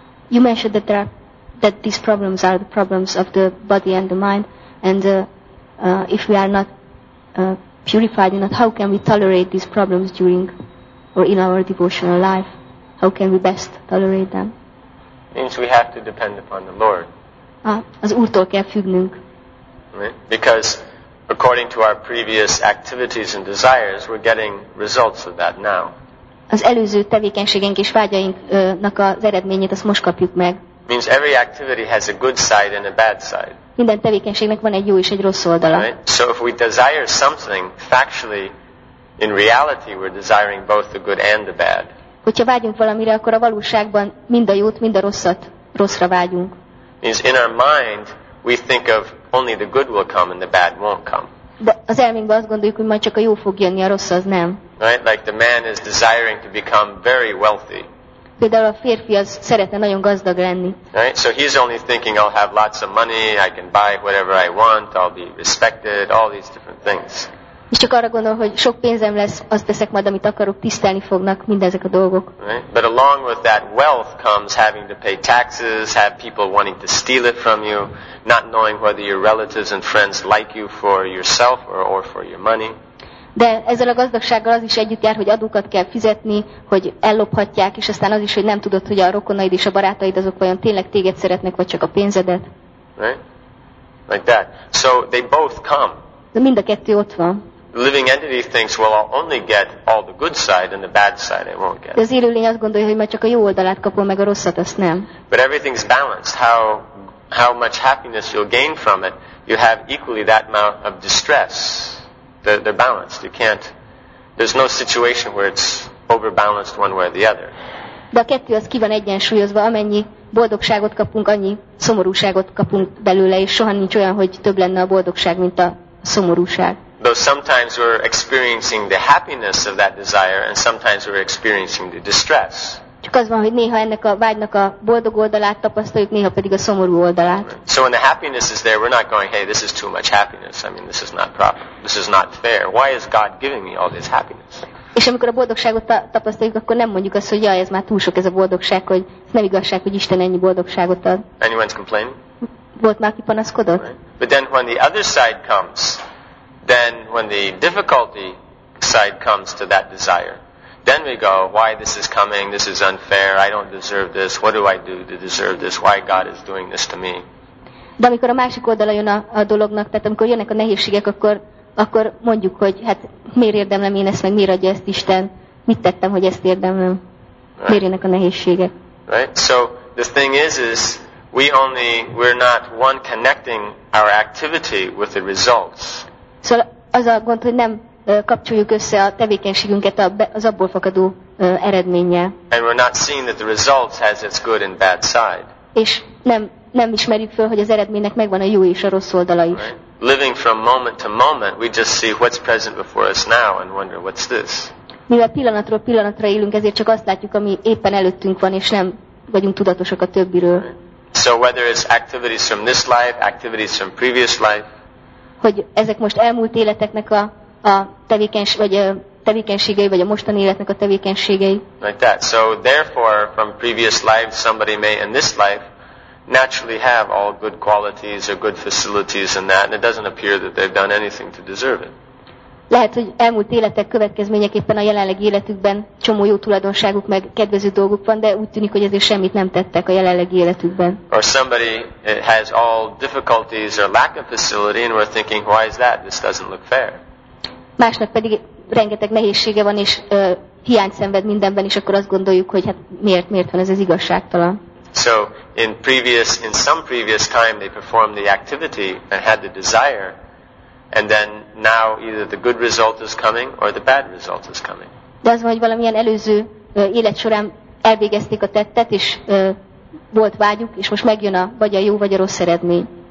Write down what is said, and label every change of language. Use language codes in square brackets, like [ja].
[en] You mentioned that that these problems are the problems of the body and the mind, and if we are not purified enough, how can we tolerate these problems during or in our devotional life? How can we best tolerate them? It means we have to depend upon the Lord. [hu] Az Úrtól kell függnünk. [en] Because according to our previous activities and desires, we're getting results of that now. [hu] Az előző tevékenységünk és vágyainknak az eredményét azt most kapjuk meg. [en] Means every activity has a good side and a bad side. [hu] Minden tevékenységnek van egy jó és egy rossz oldala. [en] Right? So if we desire something, factually, in reality, we're desiring both the good and the bad. [hu] Hogyha vágyunk valamire, akkor a valóságban mind a jót, mind a rosszat, rosszra vágyunk. [en] Means in our mind, we think of only the good will come and the bad won't come. [hu] De az elménkben azt gondoljuk, hogy majd csak a jó fog jönni, a rossz az nem. [en] Right? Like the man is desiring to become very wealthy. [hu] Például a férfi az szeretne nagyon gazdag lenni. [en] Right? So he's only thinking I'll have lots of money, I can buy whatever I want, I'll be respected, all these different things. [hu] És csak arra gondol, hogy sok pénzem lesz, azt teszek majd, amit akarok, tisztelni fognak mindezek a dolgok. [en] Right? But along with that wealth comes having to pay taxes, have people wanting to steal it from you, not knowing whether your relatives and friends like you for yourself or for your money. [hu] De ezzel a gazdagsággal az is együtt jár, hogy adókat kell fizetni, hogy ellophatják, és aztán az is, hogy nem tudod, hogy a rokonaid és a barátaid azok vajon tényleg téged szeretnek, vagy csak a pénzedet. [en] Right? Like that. So they both come. [hu] De mind a kettő ott van. [en] The living entity thinks, well, I'll only get all the good side and the bad side I won't get. [hu] De az élőlény azt gondolja, hogy majd csak a jó oldalát kapom, meg a rosszat, azt nem. [en] But everything's balanced. How much happiness you'll gain from it, you have equally that amount of distress. They're balanced. You can't. There's no situation where it's overbalanced one way or the other. [hu] De a kettő az ki van egyensúlyozva, amennyi boldogságot kapunk, annyi szomorúságot kapunk belőle, és soha nincs olyan, hogy több lenne a boldogság, mint a szomorúság. [en] Though sometimes we're experiencing the happiness of that desire, and sometimes we're experiencing the distress. [hu] Csak az van, hogy néha ennek a vágynak a boldog oldalát tapasztaljuk, néha pedig a szomorú oldalát. [en] So when the happiness is there, we're not going, hey, this is too much happiness. I mean, this is not proper. This is not fair. Why is God giving me all this happiness? [hu] És amikor a boldogságot tapasztaljuk, akkor nem mondjuk azt, hogy jaj, ez már túl sok ez a boldogság, hogy ez nem igazság, hogy Isten ennyi boldogságot ad. [en] Anyone's complaining? [hu] Volt már, aki panaszkodott? [en] Right. But then when the other side comes, then when the difficulty side comes to that desire, then we go, why this is coming, this is unfair, I don't deserve this, what do I do to deserve this, why God is doing this to me. [hu] De amikor a másik oldala jön a dolognak, tehát amikor jönnek a nehézségek, akkor mondjuk, hogy hát miért érdemlem én ezt, meg miért adja ezt Isten, mit tettem, hogy ezt érdemlem, miért jönnek a nehézségek. [en] Right, so the thing is we're not one connecting our activity with the results. [hu] Szóval az a gond, hogy nem kapcsoljuk össze a tevékenységünket az abból fakadó eredménnyel. [en] And we're not seeing that the results has its good and bad side. [hu] És nem nem ismerjük föl, hogy az eredménynek megvan a jó és a rossz oldala is. [en] Living from moment to moment, we just see what's present before us now and wonder what's this. [hu] Mivel pillanatról pillanatra élünk, ezért csak azt látjuk, ami éppen előttünk van, és nem vagyunk tudatosak a többiről. [en] So whether it's activities from this life, activities from previous life. [hu] Hogy ezek most elmúlt életeknek a tevékenységei, vagy a mostani életnek a tevékenységei. [en] Like that. So therefore, from previous life, somebody may in this life naturally have all good qualities or good facilities and that, and it doesn't appear that they've done anything to deserve it. [hu] Lehet, hogy elmúlt életek következményeképpen a jelenlegi életükben csomó jó tulajdonságuk meg kedvező dolguk van, de úgy tűnik, hogy ezért semmit nem tettek a jelenlegi életükben. [en] Or somebody has all difficulties or lack of facility and we're thinking, why is that? This doesn't look fair. [hu] Másnak pedig rengeteg nehézsége van és hiányt szenved mindenben, és akkor azt gondoljuk, hogy hát miért van ez az igazságtalan. [en] So in some previous time they performed the activity and had the desire. And then now either the good result is coming or the bad result is coming. [hu] De az, hogy valamilyen előző élet során elvégezték a tettet, és volt vágyuk, és most megjön a vagy a jó, vagy a rossz eredmény.